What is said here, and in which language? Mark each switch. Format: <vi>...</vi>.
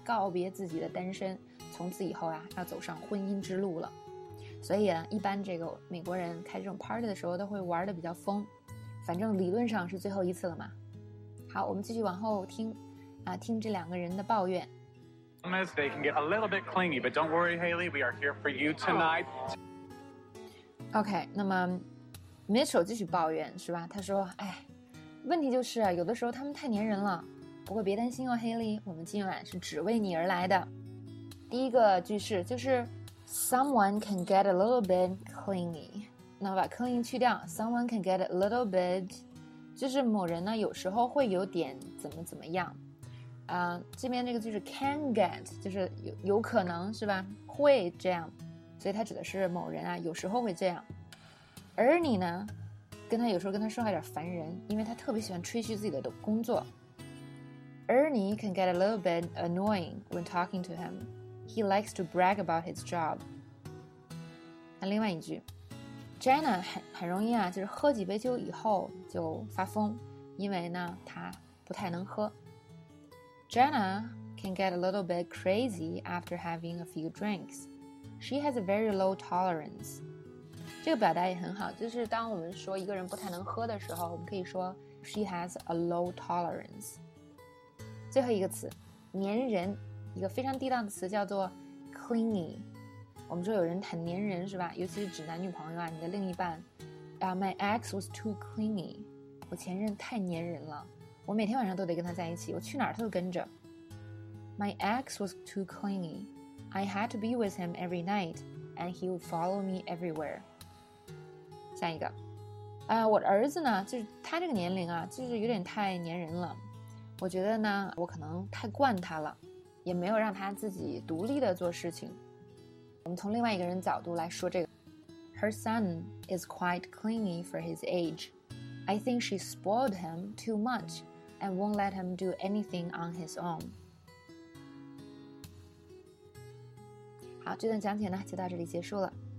<zh>告别自己的单身，从此以后啊要走上婚姻之路了。所以一般这个美国人开这种 party 的时候都会玩得比较疯。反正理论上是最后一次了嘛。好，我们继续往后听，听这两个人的抱怨。</zh> <en>They can get a little bit clingy, but don't worry, Haley, we are here for you tonight.</en> <zh>OK, 那么 Mitchell 继续抱怨是吧？他说，哎，问题就是有的时候他们太黏人了。不过别担心哦 ，Haley， 我们今晚是只为你而来的。第一个句式就是</zh> <en>someone can get a little bit clingy。</en> <zh>那把 clean 去掉，</zh> <en>someone can get a little bit，</en> <zh>就是某人呢有时候会有点怎么怎么样。这边这个就是 can get， 就是 有可能是吧，会这样，所以它指的是某人啊有时候会这样。而你呢跟他有时候跟他说话有点烦人，因为他特别喜欢吹嘘自己的工作。</zh> <en>Ernie can get a little bit annoying when talking to him. He likes to brag about his job.</en> <zh>那另外一句Jenna 很容易啊，就是喝几杯酒以后就发疯，因为呢她不太能喝。Jenna</zh> <en>can get a little bit crazy after having a few drinks. She has a very low tolerance.</en> <zh>这个表达也很好，就是当我们说一个人不太能喝的时候，我们可以说</zh> <en>she has a low tolerance.</en> <zh>最后一个词，粘人，一个非常地道的词叫做 clingy。我们说有人很粘人是吧？尤其是指男女朋友啊，你的另一半。</zh> <en>My ex was too clingy.</en> <zh>我前任太粘人了。我每天晚上都得跟他在一起，我去哪儿他都跟着。</zh> <en>My ex was too clingy. I had to be with him every night, and he would follow me everywhere.</en> <zh>下一个，我的儿子呢，就是他这个年龄啊，就是有点太粘人了。我觉得呢，我可能太惯他了，也没有让他自己独立的做事情。我们从另外一个人角度来说这个。</zh> <en>Her son is quite clingy for his age. I think she spoiled him too much and won't let him do anything on his own.</en> <zh>好，这段讲解呢，就到这里结束了。</zh>